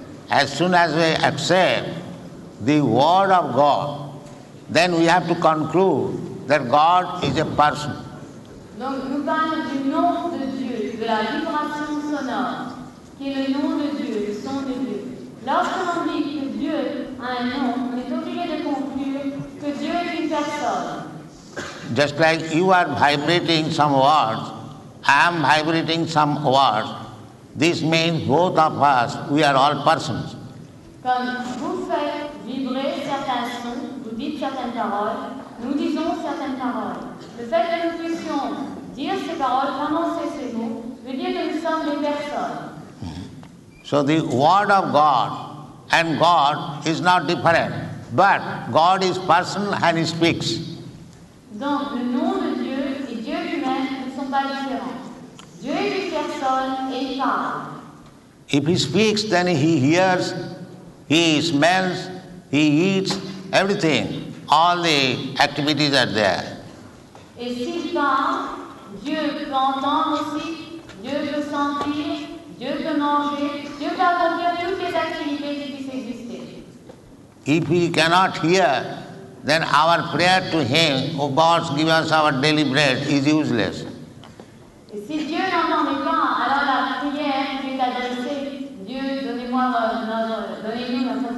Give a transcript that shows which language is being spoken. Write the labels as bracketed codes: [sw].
[en] As soon as we accept the word of God, then we have to conclude that God is a person. [fr] Donc nous parlons du nom de Dieu, de la vibration sonore, qui est le nom de Dieu, le son de Dieu. Lorsque l'on dit que Dieu a un nom, on est obligé de conclure que Dieu est une personne. [en] Just like you are vibrating some words, I am vibrating some words. This means both of us, we are all persons. [fr] Comme vous faites vibrer certains sons, vous dites certaines paroles, nous disons certaines paroles. Le fait que nous puissions dire ces paroles, prononcer ces mots, veut dire que nous sommes des personnes. [en] So the word of God and God is not different, but God is person and he speaks. [fr] Donc le nom de Dieu et Dieu lui-même ne sont pas différents. Dieu est une personne et il parle. [en] If he speaks, then he hears, he smells, he eats, everything. All the activities are there. [fr] Et s'il parle, Dieu peut entendre aussi, Dieu peut sentir, Dieu peut manger, Dieu peut accomplir toutes les activités qui puissent exister. [en] If he cannot hear, then our prayer to him, O God, give us our daily bread, is useless. [fr] Et si Dieu n'entend pas, alors la prière qui est adressée, Dieu, donnez-nous notre